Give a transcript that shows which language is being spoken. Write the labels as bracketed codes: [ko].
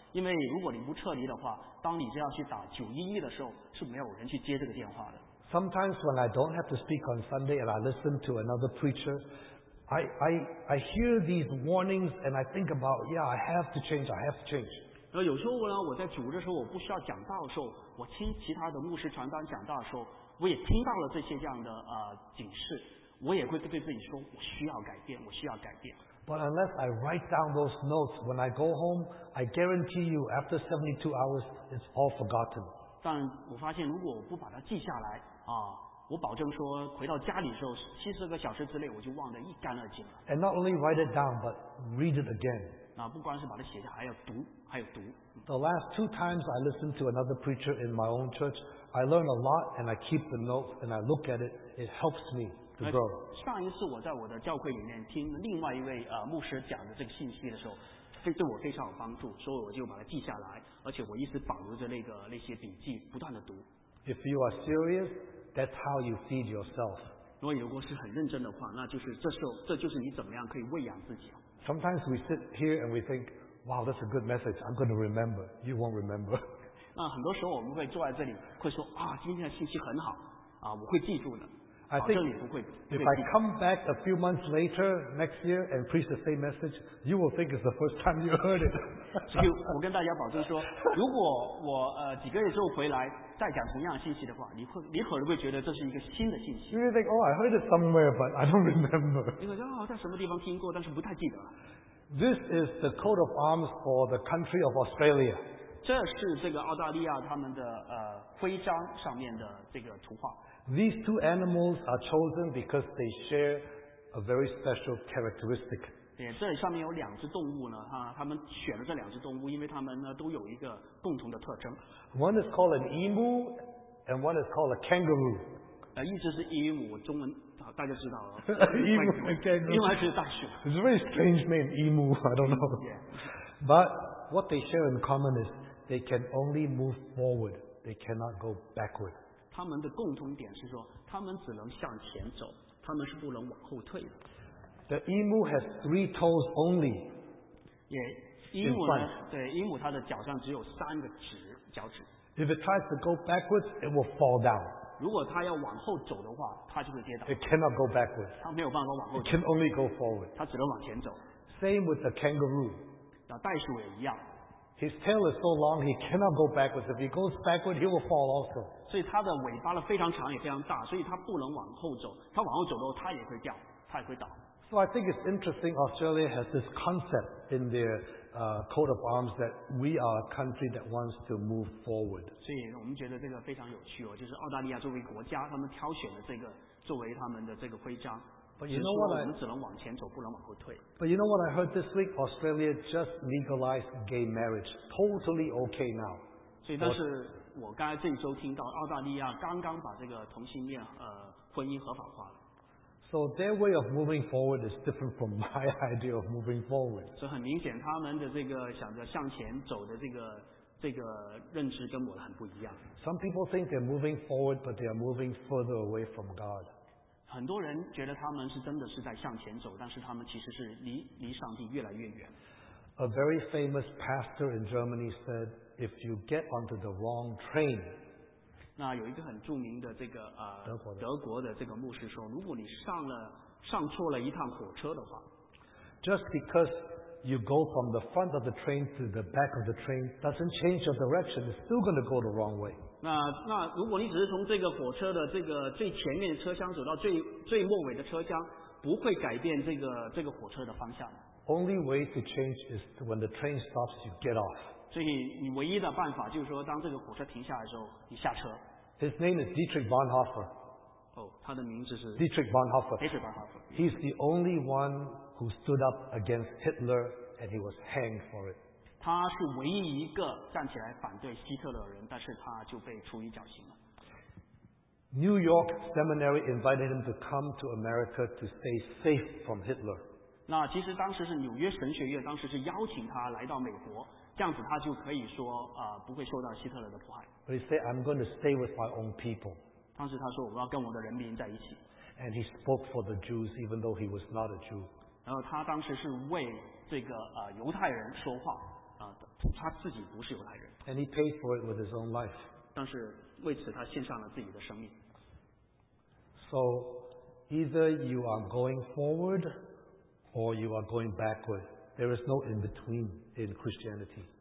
[zh] 因为如果你不撤离的话，当你就要去打911的时候，是没有人去接这个电话的。 [en] Sometimes when I don't have to speak on Sunday and I listen to another preacher, I hear these warnings and I think about, yeah, I have to change, I have to change. [zh] 那有时候呢，我在主日的时候，我不需要讲道的时候，我听其他的牧师传道讲道的时候，我也听到了这些这样的警示，我也会对自己说，我需要改变，我需要改变。 [en] But unless I write down those notes when I go home, I guarantee you after 72 hours, it's all forgotten. [zh] 但我发现如果我不把它记下来啊，我保证说回到家里的时候，72个小时之内我就忘得一干二净了。 [en] And not only write it down, but read it again. [zh] 啊，不光是把它写下，还要读，还有读。 [en] The last two times I listened to another preacher in my own church, I learned a lot, and I keep the notes and I look at it. It helps me to grow. [zh] 上一次我在我的教会里面听另外一位牧师讲的这个信息的时候，对我非常有帮助，所以我就把它记下来，而且我一直保留着那些笔记，不断的读。 [en] If you are serious, that's how you feed yourself. [zh] 如果你如果是很认真的话，那就是这就是你怎么样可以喂养自己。 [en] Sometimes we sit here and we think, "Wow, that's a good message. I'm going to remember." You won't remember. [zh] 那很多时候我们会坐在这里，会说啊，今天的信息很好啊，我会记住的。 [en] I think if I come back a few months later next year and preach the same message, you will think it's the first time you heard it. [zh] 所以我跟大家保证说，如果我几个月之后回来再讲同样的信息的话，你可能会觉得这是一个新的信息。 [en] You think, oh, I heard it somewhere, but I don't remember. [zh] 你会说哦，在什么地方听过，但是不太记得。 [en] This is the coat of arms for the country of Australia. [zh] 这是这个澳大利亚他们的徽章上面的这个图画。 [en] These two animals are chosen because they share a very special characteristic. [zh] 对，这里上面有两只动物呢，哈，他们选了这两只动物，因为他们呢都有一个共同的特征。 [en] One is called an emu, and one is called a kangaroo. [zh] 一只是鹦鹉，中文大家知道。 [en] emu and kangaroo. [zh] 另外一只是大熊。 [en] It's a very strange name, emu. I don't know. Yeah. But what they share in common is they can only move forward. They cannot go backward. [zh] 他们的共同点是说，他们只能向前走，他们是不能往后退的。 [en] The emu has three toes only. [zh] 也，鹦鹉呢？对，鹦鹉它的脚上只有三个趾，脚趾。 [en] If it tries to go backwards, it will fall down. [zh] 如果它要往后走的话，它就会跌倒。 [en] It cannot go backwards. [zh] 它没有办法往后走。 [en] It can only go forward. [zh] 它只能往前走。 [en] Same with the kangaroo. [zh] 那袋鼠也一样。 [en] His tail is so long, he cannot go backwards. If he goes backward, he will fall also. [zh] 所以他的尾巴非常长也非常大，所以他不能往后走。他往后走的话，他也会掉，他也会倒。 [en] So I think it's interesting. Australia has this concept in their coat of arms that we are a country that wants to move forward. [zh] 所以我们觉得这个非常有趣哦，就是澳大利亚作为国家，他们挑选了这个作为他们的这个徽章。 [en] But you know what? [zh] 我们只能往前走，不能往后退。 [en] But you know what I heard this week? Australia just legalized gay marriage, totally okay now. [zh] 所以，但是我刚才这一周听到，澳大利亚刚刚把这个同性恋婚姻合法化了。 [en] So their way of moving forward is different from my idea of moving forward. [zh] 所以很明显，他们的这个想着向前走的这个认知跟我很不一样。 [en] Some people think they're moving forward, but they are moving further away from God. [zh] 很多人觉得他们是真的是在向前走，但是他们其实是离上帝越来越远。 [en] A very famous pastor in Germany said, "If you get onto the wrong train." [zh] 那有一个很著名的这个德国的这个牧师说，如果你上错了一趟火车的话 [en] ，Just because you go from the front of the train to the back of the train doesn't change your direction. It's still going to go the wrong way. [zh] 那如果你只是从这个火车的这个最前面的车厢走到最末尾的车厢，不会改变这个火车的方向。 [en] Only way to change is when the train stops, you get off. [zh] 所以你唯一的办法就是说，当这个火车停下来的时候，你下车。 [en] His name is Dietrich Bonhoeffer. [zh] 他的名字是 [en] Dietrich Bonhoeffer. Dietrich Bonhoeffer. He's the only one who stood up against Hitler, and he was hanged for it. [zh] 他是唯一一个站起来反对希特勒的人，但是他就被处以绞刑了。 [en] New York Seminary invited him to come to America to stay safe from Hitler. [zh] 那其实当时是纽约神学院，当时是邀请他来到美国，这样子他就可以说不会受到希特勒的迫害。 [en] But he said, "I'm going to stay with my own people." [zh] 当时他说，我要跟我的人民在一起。 [en] And he spoke for the Jews, even though he was not a Jew. [zh] 然后他当时是为这个犹太人说话。他自己不是犹太人。 [en] And he paid for it with his own life. [zh] 但是为此他献上了自己的生命。 [en] So either you are going forward or you are going backward. There is no in between in Christianity.